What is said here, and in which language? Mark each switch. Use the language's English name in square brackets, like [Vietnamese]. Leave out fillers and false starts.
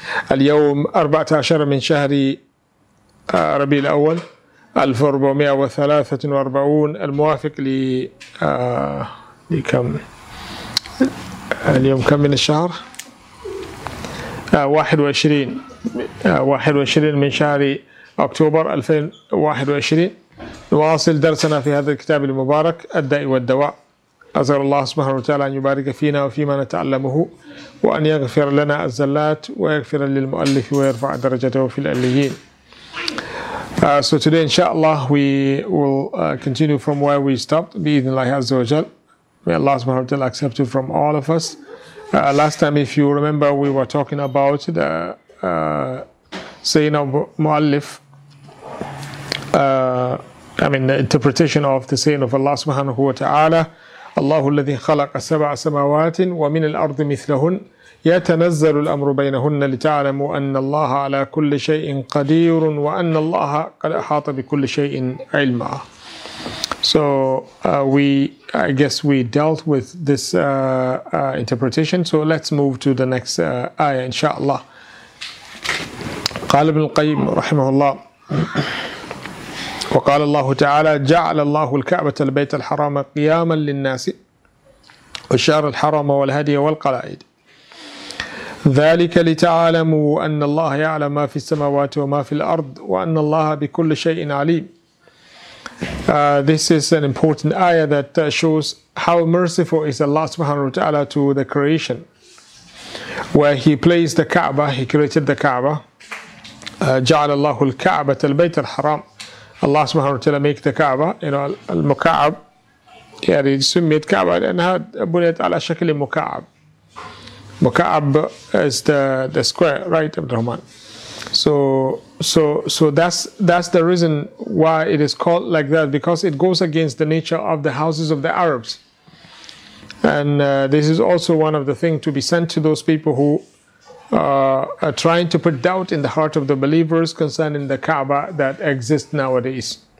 [Arabic] Al-yawm 14 min shahri ربيع الأول 1443 الموافق ل لكم اليوم كم من الشهر 21 21 من شهر أكتوبر 2021 نواصل درسنا في هذا الكتاب المبارك الداء والدواء. أسأل الله سبحانه وتعالى أن يبارك فينا وفيما نتعلمه وأن يغفر لنا الزلات ويغفر للمؤلف ويرفع درجته في العليين. [English] So today, inshallah, we will continue from where we stopped. Bi-idhnillahi azza wa jal. May Allah subhanahu wa ta'ala accept it from all of us. Last time, if you remember, we were talking about the saying of Mu'allif, the interpretation of the saying of Allah subhanahu wa ta'ala, [Arabic] Allahu alladhi khalaqa sab'a samawatin wa min al-ardi mithlahun. يتنزل الأمر بينهن لتعلموا أن الله على كل شيء قدير وأن الله قد أحاط بكل شيء علما. [English] So we dealt with this interpretation. So let's move to the next آية إن شاء الله. [Arabic] قال ابن القيم رحمه الله وقال الله تعالى جعل الله الكعبة البيت الحرام قياما للناس والشهر الحرام والهدي والقلائد ذلك لتعلموا أن الله يعلم ما في السماوات وما في الأرض وأن الله بكل شيء عليم. [English] This is an important ayah that shows how merciful is Allah subhanahu wa ta'ala to the creation, where He placed the Kaaba, He created the Kaaba. [Arabic] جعل الله الكعبة البيت الحرام. [English] Allah subhanahu wa ta'ala make the Kaaba, you know, المكعب. [Arabic] يعني سميت كعبة لأنها بنيت على شكل مكعب. [English] Mukaab is the square, right, Abdul Rahman? So that's the reason why it is called like that, because it goes against the nature of the houses of the Arabs. And this is also one of the things to be sent to those people who are trying to put doubt in the heart of the believers concerning the Kaaba that exists nowadays.